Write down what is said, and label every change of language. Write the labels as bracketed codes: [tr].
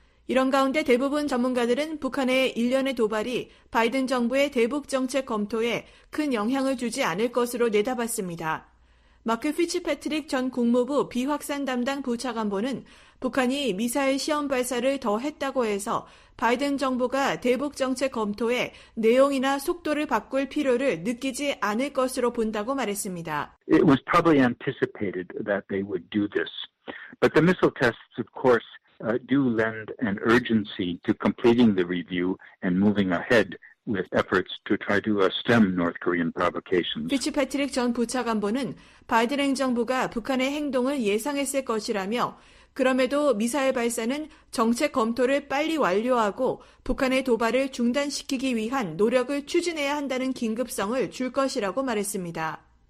[ko] 이런 가운데 대부분 전문가들은 북한의 일련의 도발이 바이든 정부의 대북 정책 검토에 큰 영향을 주지 않을 것으로 내다봤습니다. 마크 피츠패트릭 전 국무부 비확산 담당 부차관보는 북한이 미사일 시험 발사를 더 했다고 해서 바이든 정부가 대북 정책 검토에 내용이나 속도를 바꿀 필요를 느끼지 않을 것으로 본다고 말했습니다. [en] It was probably anticipated that they would do this. But the missile tests, of course, do lend an urgency to completing the review and moving ahead with efforts to try to stem North Korean provocations. [ko] 피츠패트릭 전 부차관보는 바이든 행정부가 북한의 행동을 예상했을 것이라며 그럼에도 미사일 발사는 정책 검토를 빨리 완료하고 북한의 도발을 중단시키기 위한 노력을 추진해야 한다는 긴급성을 줄 것이라고 말했습니다.